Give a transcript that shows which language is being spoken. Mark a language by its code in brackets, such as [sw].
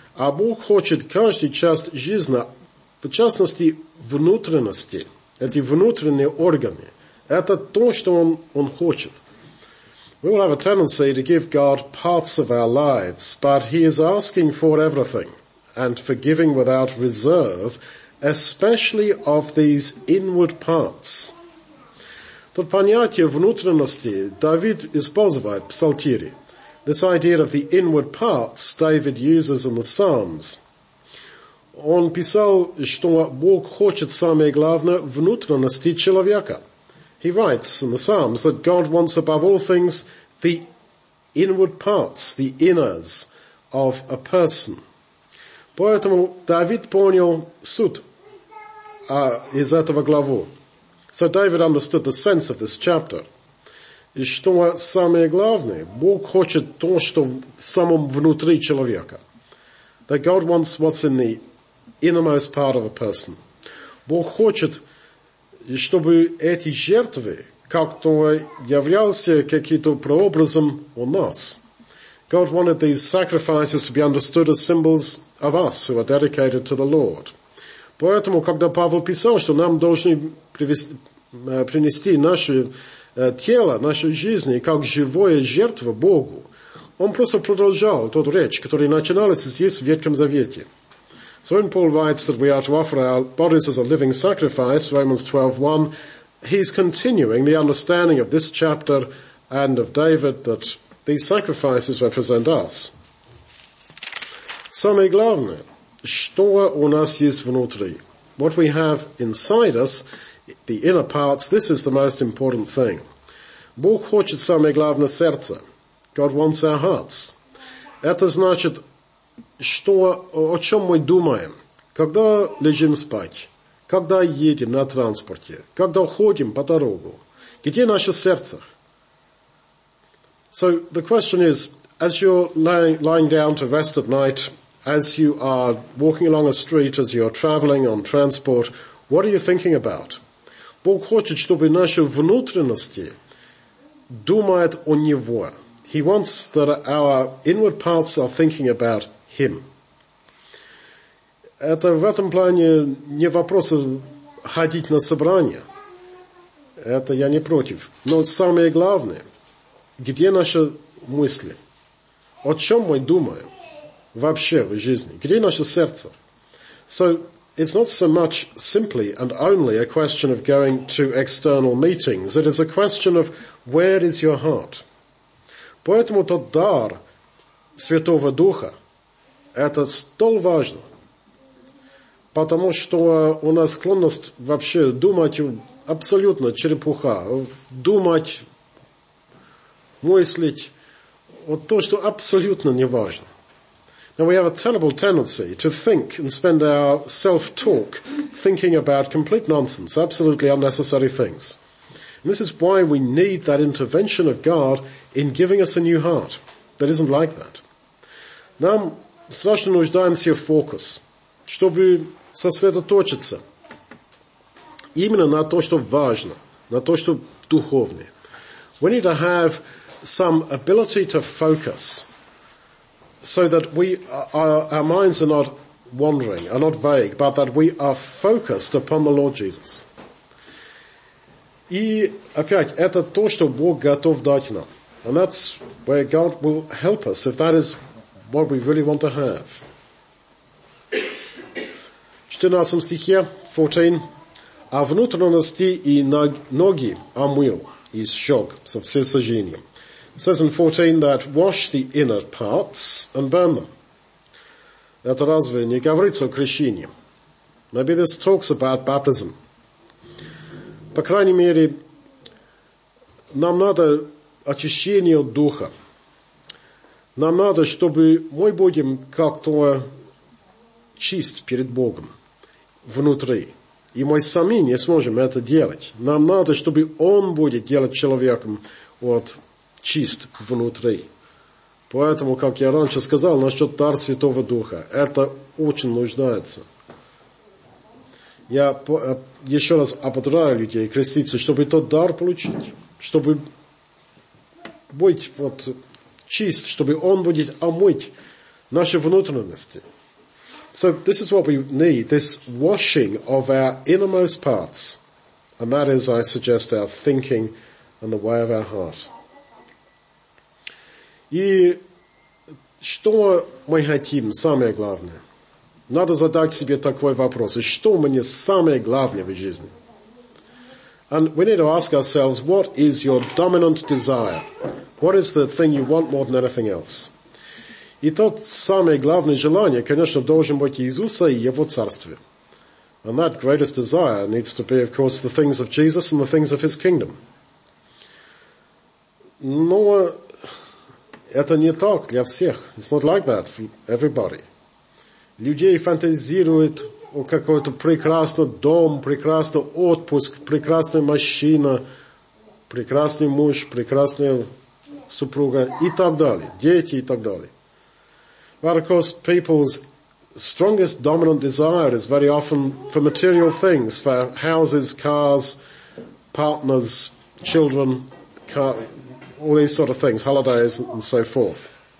[ru] А Бог хочет каждую часть жизни, в частности, внутренности, эти внутренние органы. Это то, что он хочет. [en] We will have a tendency to give God parts of our lives, but he is asking for everything and forgiving without reserve, especially of these inward parts. [ru] Тут понятие внутренности Давид использует в псалтире. [en] This idea of the inward parts David uses in the Psalms. [ru] Он писал, что Бог хочет самое главное внутренности человека. [en] He writes in the Psalms that God wants above all things the inward parts, the innards of a person. [ru] Поэтому Давид понял суть из этого главу. [en] So David understood the sense of this chapter. [ru] И что самое главное, Бог хочет то, что в самом внутри человека. [en] That God wants what's in the innermost part of a person. [ru] Бог хочет, чтобы эти жертвы как-то являлись каким-то прообразом у нас. [en] God wanted these sacrifices to be understood as symbols of us who are dedicated to the Lord. [ru] Поэтому, когда Павел писал, что нам должны принести наши тело, нашу жизнь, как живое жертва Богу. Он просто продолжал тот речь, который начинался здесь в Ветхом Завете. [en] So when Paul writes that we are to offer our bodies as a living sacrifice, Romans 12:1, he's continuing the understanding of this chapter and of David that these sacrifices represent us. [ru] Самое главное, что у нас есть внутри. [en] What we have inside us, the inner parts, this is the most important thing. [ru] Бог хочет самое главное сердце. [en] God wants our hearts. [ru] Это значит, что, о чем мы думаем, когда лежим спать, когда едем на транспорте, когда ходим по дорогу. Где наше сердце? [en] So the question is, as you're lying down to rest at night, as you are walking along a street, as you're traveling on transport, what are you thinking about? [ru] Бог хочет, чтобы наши внутренности думают о Него. [en] He wants that our inward parts are thinking about Him. [ru] Это в этом плане не вопрос ходить на собрание. Это я не против. Но самое главное, где наши мысли? О чем мы думаем вообще в жизни? Где наше сердце? [en] So, it's not so much simply and only a question of going to external meetings. It is a question of where is your heart? [ru] Поэтому тот дар Святого Духа, это столь важно. Потому что у нас склонность вообще думать абсолютно черепуха. Думать, мыслить, вот то, что абсолютно не важно. [en] Now we have a terrible tendency to think and spend our self-talk thinking about complete nonsense, absolutely unnecessary things. And this is why we need that intervention of God in giving us a new heart that isn't like that. [ru] Нам страшно нуждаемся в фокус, чтобы сосредоточиться именно на то, что важно, на то, что духовное. [en] We need to have some ability to focus. So that we are, our minds are not wandering, are not vague, but that we are focused upon the Lord Jesus. [ru] И опять, это то, что Бог готов дать нам. [en] And that's where God will help us, if that is what we really want to have. [ru] 14 стихе, 14. А внутренности и ноги омыл, и сжег со всесожжением. [en] It says in 14 that wash the inner parts and burn them. [ru] Это разве не говорится о крещении? [en] Maybe this talks about baptism. [ru] По крайней мере, нам надо очищение духа. Нам надо, чтобы мы будем как-то чист перед Богом внутри. И мы сами не сможем это делать. Нам надо, чтобы Он будет делать человеком вот чист внутри. Поэтому, как я раньше сказал, насчет дар Святого Духа, это очень нуждается. Я еще раз ободряю людей креститься, чтобы тот дар получить, чтобы быть вот чист, чтобы он будет омыть наши внутренности. [en] So this is what we need, this washing of our innermost parts. And that is, I suggest, our thinking and the way of our heart. [ru] И что мы хотим, самое главное? Надо задать себе такой вопрос. Что мне самое главное в жизни? [en] And we need to ask ourselves, what is your dominant desire? What is the thing you want more than anything else? [ru] И то самое главное желание, конечно, должен быть Иисуса и Его Царствие. [en] And that greatest desire needs to be, of course, the things of Jesus and the things of His kingdom. [ru] Но это не так для всех. [en] It's not like that for everybody. [ru] Людей фантазируют о какой-то прекрасный дом, прекрасный отпуск, прекрасная машина, прекрасный муж, прекрасная супруга и так далее, дети и так далее. [en] But of course, people's strongest dominant desire is very often for material things, for houses, cars, partners, children, all these sort of things, holidays and so forth.